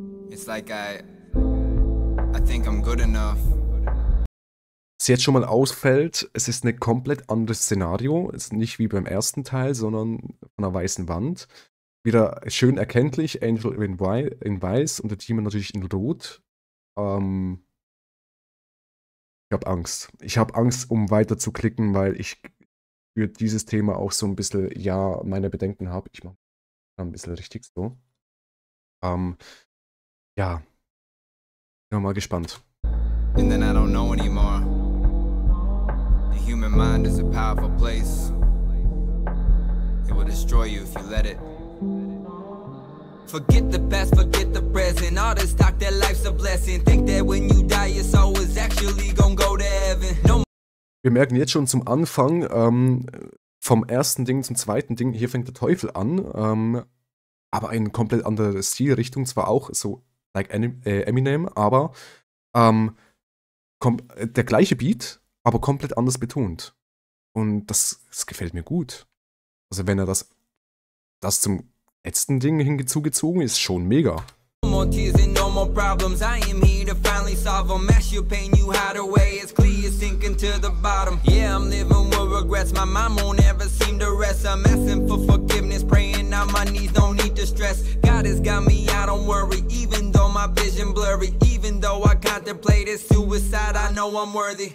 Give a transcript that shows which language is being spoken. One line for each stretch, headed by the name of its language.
English: It's like I think I'm good enough.
German: Was jetzt schon mal ausfällt, es ist ein komplett anderes Szenario. Es ist nicht wie beim ersten Teil, sondern von einer weißen Wand. Wieder schön erkenntlich, Angel in weiß und der Demon natürlich in rot. Ich habe Angst. Ich habe Angst, um weiter zu klicken, weil ich für dieses Thema auch so ein bisschen, ja, meine Bedenken habe. Ich mache ein bisschen richtig so. Ja. Bin noch mal gespannt.
English: And then I don't know anymore. The human mind is a powerful place. It will destroy you if you let it. Forget the past, forget the present. All this talk that life's a blessing. Think that when you die, your soul is actually gonna go to heaven. No.
German: Wir merken jetzt schon zum Anfang, vom ersten Ding zum zweiten Ding, hier fängt der Teufel an, aber eine komplett andere Stilrichtung, zwar auch so like Eminem, aber der gleiche Beat, aber komplett anders betont. Und das gefällt mir gut. Also wenn er das zum letzten Ding hinzugezogen ist, schon mega.
English: No more tears and no more problems. I am here to finally solve them. Mess your pain, you hide away. It's clear you're sinking to the bottom. Yeah, I'm living with regrets. My mind won't ever seem to rest. I'm asking for forgiveness, praying on my knees. No need to stress. God has got me. I don't worry, even though my vision blurry. Even though I contemplated suicide, I know I'm worthy.